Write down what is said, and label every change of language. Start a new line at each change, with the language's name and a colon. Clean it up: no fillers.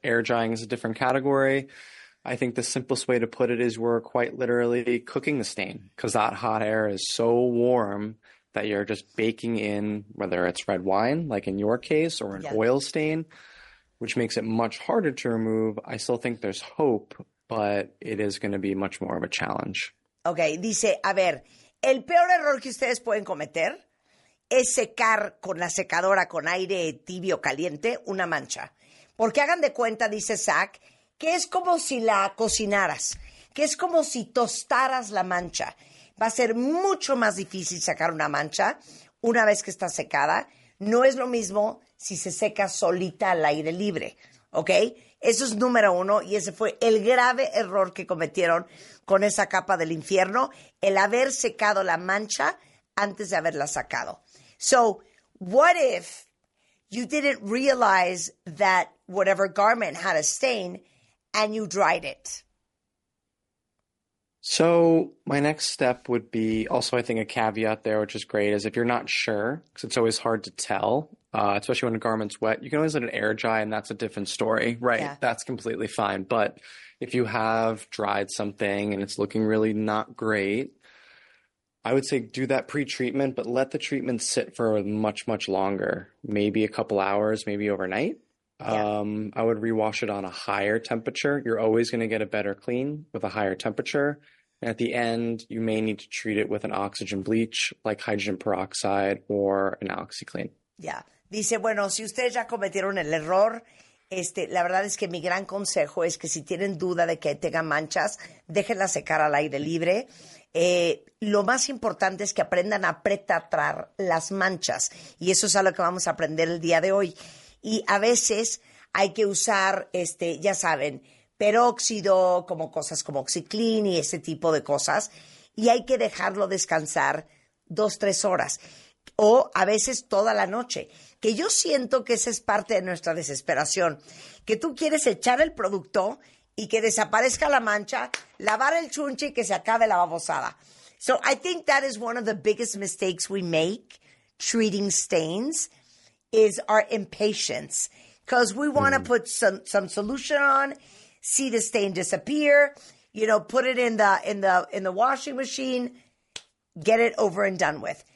English: Air drying is a different category. I think the simplest way to put it is we're quite literally cooking the stain because that hot air is so warm that you're just baking in, whether it's red wine, like in your case, or an oil stain, which makes it much harder to remove. I still think there's hope, but it is going to be much more of a challenge. Okay.
Spanish: Dice, a ver, el peor error que ustedes pueden cometer es secar con la secadora con aire tibio caliente una mancha. Porque hagan de cuenta, dice Zach, que es como si la cocinaras, que es como si tostaras la mancha. Va a ser mucho más difícil sacar una mancha una vez que está secada. No es lo mismo si se seca solita al aire libre, ¿ok? Eso es número uno y ese fue el grave error que cometieron con esa capa del infierno, el haber secado la mancha antes de haberla sacado.
English: So, what if you didn't realize that whatever garment had a stain and you dried it? So my next step would be also, I think, a caveat there, which is great, is if you're not sure, because it's always hard to tell, especially when a garment's wet, you can always let it air dry and that's a different story, right? Yeah. That's completely fine. But if you have dried something and it's looking really not great, I would say do that pre-treatment, but let the treatment sit for much, much longer. Maybe a couple hours, maybe overnight. Yeah. I would rewash it on a higher temperature. You're always going to get a better clean with a higher temperature. And at the end, you may need to treat it with an oxygen bleach like hydrogen peroxide or an OxyClean. Yeah.
Spanish: Dice, bueno, si ustedes ya cometieron el error, la verdad es que mi gran consejo es que si tienen duda de que tenga manchas, déjenla secar al aire libre. Lo más importante es que aprendan a pretratar las manchas. Y eso es algo que vamos a aprender el día de hoy. Y a veces hay que usar, ya saben, peróxido, como cosas como OxyClean y ese tipo de cosas. Y hay que dejarlo descansar 2-3 horas. O a veces toda la noche. Que yo siento que esa es parte de nuestra desesperación. Que tú quieres echar el producto y que desaparezca la mancha, lavar el chunche y que se acabe la babosada.
English: So I think that is one of the biggest mistakes we make treating stains is our impatience. Because we want to put some solution on, see the stain disappear, you know, put it in the washing machine, get it over and done with.